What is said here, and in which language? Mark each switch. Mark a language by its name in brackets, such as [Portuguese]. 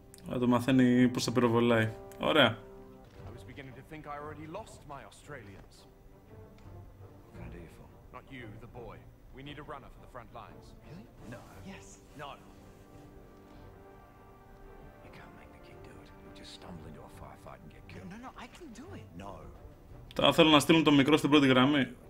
[Greek] Α, το μαθαίνει πως θα πυροβολάει. Ωραία. [English] I was beginning to think I already lost my Australians. What can I do you for? Not you, the boy. We need a runner for the front lines. Really? No. Yes. No. You can't make the kid do it. You just stumble into a firefight and get killed. No, no, I can do it. No. [Greek] Θα ήθελα να στείλουν τον μικρό στην πρώτη γραμμή.